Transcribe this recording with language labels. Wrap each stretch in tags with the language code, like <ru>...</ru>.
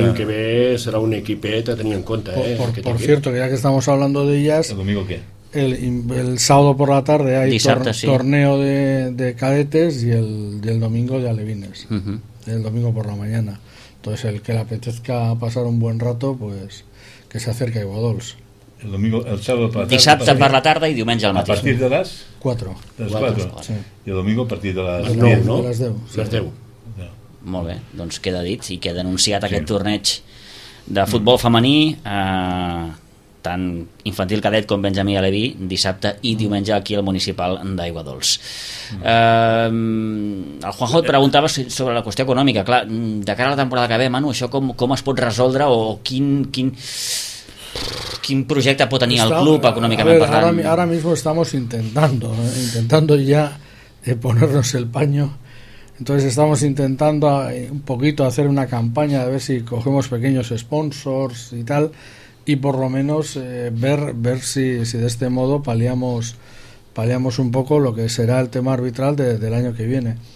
<ca>L'any que ve serà un equipet a tenir en compte.</ca> <es>Por cierto, que ya que estamos hablando de ellas... El domingo qué? El sábado por la tarde hay torneo de cadetes y el domingo de alevines. Uh-huh. El domingo por la mañana. Entonces, el que le apetezca pasar un buen rato, pues que se acerque a Iguadols. El domingo, el sábado</es> <ca>per la tarda. Dissabte per la tarda i diumenge al matí. A partir de les? 4. De les 4. Sí. I el domingo a partir de les 9, no? De les 10. Sí. Les 10. Molt bé, doncs queda dit i queda anunciat aquest torneig de futbol femení, tant infantil cadet com Benjamí Aleví, dissabte i diumenge aquí al municipal d'Aiguadols. El Juanjo et preguntava sobre la qüestió econòmica. Clar, de cara a la temporada que ve, Manu, això com es pot resoldre o quin projecte pot tenir el club econòmicament parlant?</ca> <es>Ara mismo estamos intentando ya ponernos el paño. Entonces estamos intentando un poquito hacer una campaña a ver si cogemos pequeños sponsors y tal, y por lo menos ver si de este modo paliamos un poco lo que será el tema arbitral del año que viene.</es>